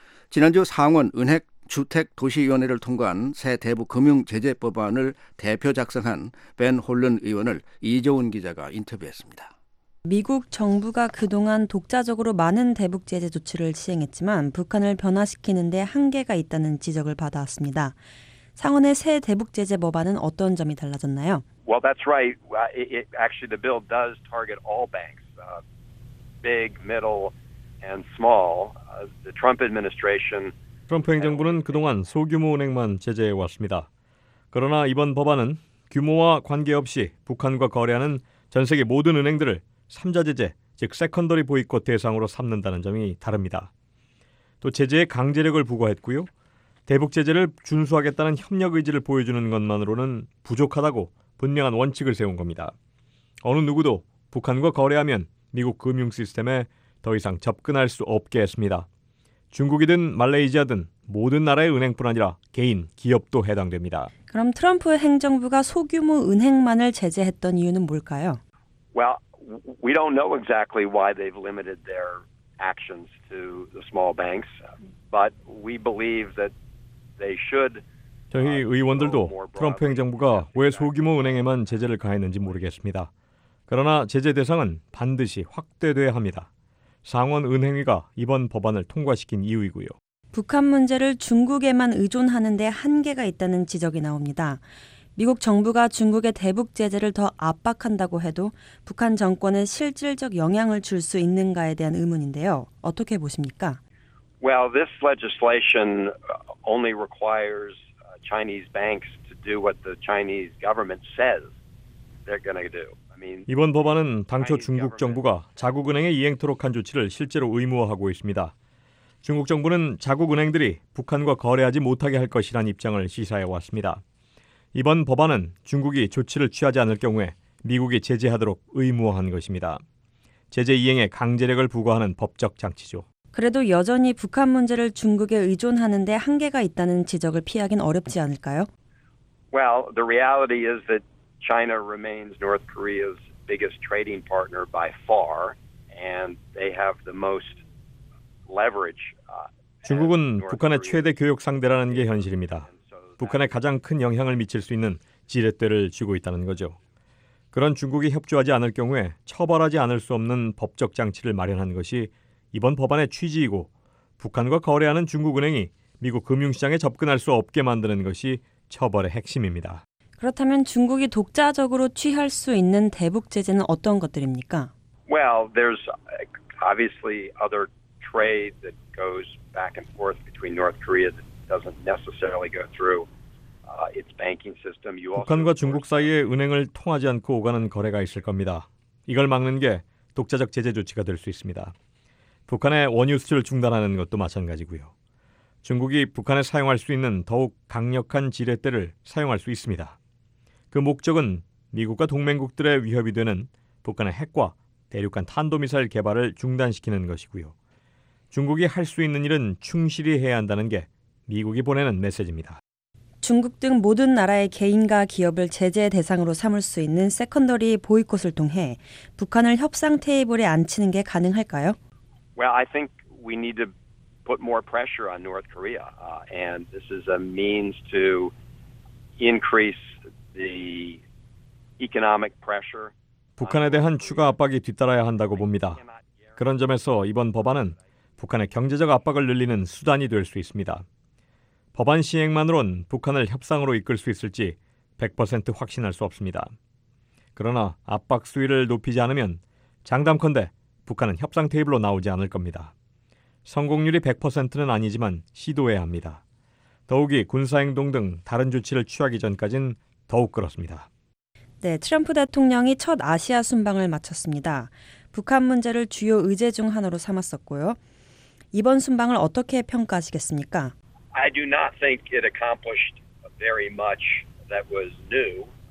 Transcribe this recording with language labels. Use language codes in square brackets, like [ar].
[ko] 지난주 상원 은행 주택 도시위원회를 통과한 새 대북 금융 제재 법안을 대표 작성한 벤 홀른 의원을 이조은 기자가 인터뷰했습니다. 미국 정부가 그동안 독자적으로 많은 대북 제재 조치를 시행했지만 북한을 변화시키는 데 한계가 있다는 지적을 받아왔습니다. 상원의 새 대북 제재 법안은 어떤 점이 달라졌나요? [en] Well, that's right. Actually, the bill does target all banks, big, middle, and small. The Trump administration. [ko] 트럼프 행정부는 그동안 소규모 은행만 제재해 왔습니다. 그러나 이번 법안은 규모와 관계없이 북한과 거래하는 전 세계 모든 은행들을 3자 제재, 즉 세컨더리 보이콧 대상으로 삼는다는 점이 다릅니다. 또 제재에 강제력을 부과했고요. 대북 제재를 준수하겠다는 협력 의지를 보여주는 것만으로는 부족하다고 분명한 원칙을 세운 겁니다. 어느 누구도 북한과 거래하면 미국 금융 시스템에 더 이상 접근할 수 없게 했습니다. 중국이든 말레이시아든 모든 나라의 은행뿐 아니라 개인, 기업도 해당됩니다. 그럼 트럼프 행정부가 소규모 은행만을 제재했던 이유는 뭘까요? [en] Well, we don't know exactly why they've limited their actions to the small banks, but we believe that they should. [ko] 저희 의원들도 트럼프 행정부가 왜 소규모 은행에만 제재를 가했는지 모르겠습니다. 그러나 제재 대상은 반드시 확대돼야 합니다. 상원 은행위가 이번 법안을 통과시킨 이유이고요. 북한 문제를 중국에만 의존하는 데 한계가 있다는 지적이 나옵니다. 미국 정부가 중국의 대북 제재를 더 압박한다고 해도 북한 정권에 실질적 영향을 줄 수 있는가에 대한 의문인데요. 어떻게 보십니까? [en] Well, this legislation only requires Chinese banks to do what the Chinese government says they're going to do. [ko] 이번 법안은 당초 중국 정부가 자국은행에 이행토록 한 조치를 실제로 의무화하고 있습니다. 중국 정부는 자국 은행들이 북한과 거래하지 못하게 할 것이란 입장을 시사해 왔습니다. 이번 법안은 중국이 조치를 취하지 않을 경우에 미국이 제재하도록 의무화한 것입니다. 제재 이행에 강제력을 부과하는 법적 장치죠. 그래도 여전히 북한 문제를 중국에 의존하는 데 한계가 있다는 지적을 피하긴 어렵지 않을까요? [en] Well, the reality is that China remains North Korea's biggest trading partner by far and they have the most leverage. [ko] 중국은 북한의 최대 교역 상대라는 게 현실입니다. 북한에 가장 큰 영향을 미칠 수 있는 지렛대를 쥐고 있다는 거죠. 그런 중국이 협조하지 않을 경우에 처벌하지 않을 수 없는 법적 장치를 마련한 것이 이번 법안의 취지이고 북한과 거래하는 중국은행이 미국 금융시장에 접근할 수 없게 만드는 것이 처벌의 핵심입니다. 그렇다면 중국이 독자적으로 취할 수 있는 대북 제재는 어떤 것들입니까? Well, there's obviously other trade that goes back and forth between North Korea that doesn't necessarily go through its banking system. 북한과 중국 사이에 은행을 통하지 않고 오가는 거래가 있을 겁니다. 이걸 막는 게 독자적 제재 조치가 될 수 있습니다. 북한의 원유 수출을 중단하는 것도 마찬가지고요. 중국이 북한에 사용할 수 있는 더욱 강력한 지렛대를 사용할 수 있습니다. 그 목적은 미국과 동맹국들의 위협이 되는 북한의 핵과 대륙간 탄도미사일 개발을 중단시키는 것이고요. 중국이 할 수 있는 일은 충실히 해야 한다는 게 미국이 보내는 메시지입니다. 중국 등 모든 나라의 개인과 기업을 제재 대상으로 삼을 수 있는 세컨더리 보이콧을 통해 북한을 협상 테이블에 앉히는 게 가능할까요? [en] Well, I think we need to put more pressure on North Korea, and this is a means to increase the economic pressure. [ko] 북한에 대한 추가 압박이 뒤따라야 한다고 봅니다. 그런 점에서 이번 법안은 북한의 경제적 압박을 늘리는 수단이 될 수 있습니다. 법안 시행만으론 북한을 협상으로 이끌 수 있을지 100% 확신할 수 없습니다. 그러나 압박 수위를 높이지 않으면 장담컨대 북한은 협상 테이블로 나오지 않을 겁니다. 성공률이 100%는 아니지만 시도해야 합니다. 더욱이 군사행동 등 다른 조치를 취하기 전까지는 더욱 그렇습니다. 네, 트럼프 대통령이 첫 아시아 순방을 마쳤습니다. 북한 문제를 주요 의제 중 하나로 삼았었고요. 이번 순방을 어떻게 평가하시겠습니까? [en] I do not think it accomplished very much that was new.